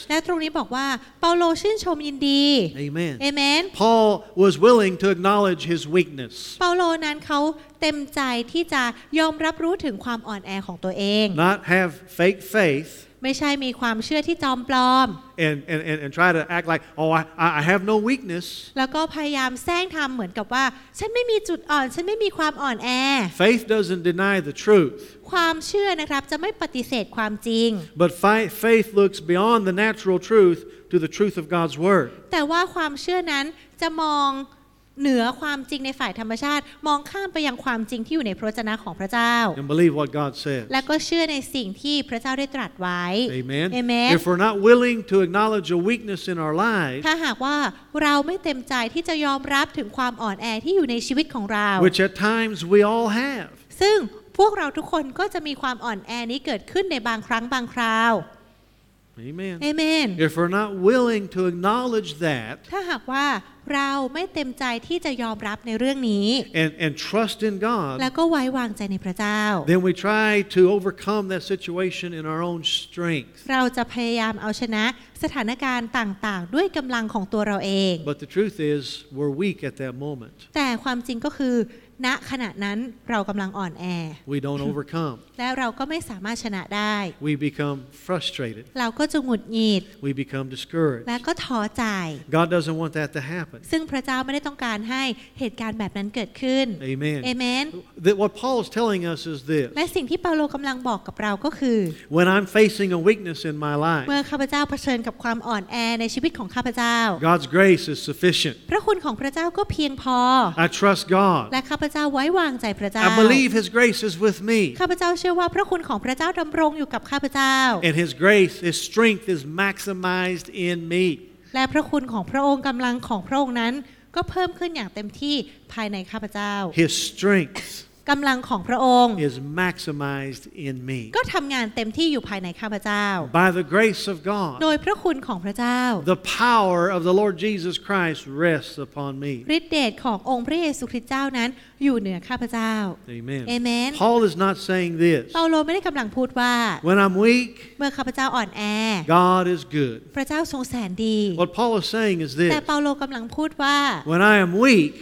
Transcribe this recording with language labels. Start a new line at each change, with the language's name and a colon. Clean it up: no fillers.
Thai: และตรงนี้บอกว่าเปาโลชื่นชมยินดี
English: Amen. Amen. Paul was willing to acknowledge his weakness.
Thai: เปาโลนั้นเขาเต็มใจที่จะยอมรับรู้ถึงความอ่อนแอของตัวเอง
English: Not have fake faith.
Thai: ไม่ใช่มีความเชื่อที่จอมปลอม
English: And try to act like oh I have no weakness.
Thai: แล้วก็พยายามแสร้งทำเหมือนกับว่าฉันไม่มีจุดอ่อนฉันไม่มีความอ่อนแอ
English: Faith doesn't deny the truth.
Thai: ความเชื่อนะครับจะไม่ปฏิเสธความจริง
English: But faith looks beyond the natural truth. To the truth of God's word.
Thai: แต่ว่าความเชื่อนั้นจะมองเหนือความจริงในฝ่ายธรรมชาติมองข้ามไปยังความจริงที่อยู่ในพระวจนะของพระเจ้า
English: And believe what God says.
Thai: และก็เชื่อในสิ่งที่พระเจ้าได้ตรัสไว้
English: Amen. Amen. If we're not willing to acknowledge a weakness in our lives,
Thai: ถ้าหากว่าเราไม่เต็มใจที่จะยอมรับถึงความอ่อนแอที่อยู่ในชีวิตของเรา
English: which at times we all have.
Thai: ซึ่งพวกเราทุกคนก็จะมีความอ่อนแอนี้เกิดขึ้นในบางครั้งบางคราว
English: Amen. Amen. If we're not willing to acknowledge that,
Thai: ถ้าหากว่าเราไม่เต็มใจที่จะยอมรับในเรื่องนี้
English: and trust in God,
Thai: แล้วก็ไว้วางใจในพระเจ้า
English: then we try to overcome that situation in our own strength.
Thai: เราจะพยายามเอาชนะสถานการณ์ต่างๆด้วยกำลังของตัวเราเอง
English: But the truth is, we're weak at that moment.
Thai: แต่ความจริงก็คือณขณะนั้นเรากำลังอ่อนแอ
English: We don't overcome
Thai: แล้วเราก็ไม่สามารถชนะได้
English: We become frustrated
Thai: เราก็จะหงุดหงิด
English: We become discouraged
Thai: แล้วก็ท้อใจ
English: God doesn't want that to happen
Thai: ซึ่งพระเจ้าไม่ได้ต้องการให้เหตุการณ์แบบนั้นเกิดขึ้น
English: Amen Amen That what Paul is telling us is this
Thai: และสิ่งที่เปาโลกำลังบอกกับเราก็คือ
English: When I'm facing a weakness in my life
Thai: เมื่อข้าพเจ้าเผชิญกับความอ่อนแอในชีวิตของข้าพเจ้า
English: God's grace is sufficient
Thai: พระคุณของพระเจ้าก็เพียงพอ
English: I trust God
Thai: และข้าพเจ้าไว้วางใจพระเจ้า
English: I believe his grace is with me
Thai: ข้าพเจ้าเชื่อว่าพระคุณของพระเจ้าดำรงอยู่กับข้าพเจ้า
English: And his grace his strength is maximized in me
Thai: และพระคุณของพระองค์กำลังของพระองค์นั้นก็เพิ่มขึ้นอย่างเต็มที่ภายในข้าพเจ้า
English: His strength
Thai: กำลังของพระองค์
English: is maximized in me
Thai: ก็ทำงานเต็มที่อยู่ภายในข้าพเจ้า
English: By the grace of God
Thai: โดยพระคุณของพระเจ้า
English: The power of the Lord Jesus Christ rests upon me
Thai: ฤทธิ์เดชขององค์พระเยซูคริสต์เจ้านั้นอยู่เหนือข้าพเจ้า
English: Amen Amen Paul is not saying this
Thai: เปาโลไม่ได้กำลังพูดว่า
English: When I'm weak
Thai: เมื่อข้าพเจ้าอ่อนแอ
English: God is good
Thai: พระเจ้าทรงแสนดี
English: What Paul is saying is this
Thai: แต่เปาโลกำลังพูดว่า
English: When I am weak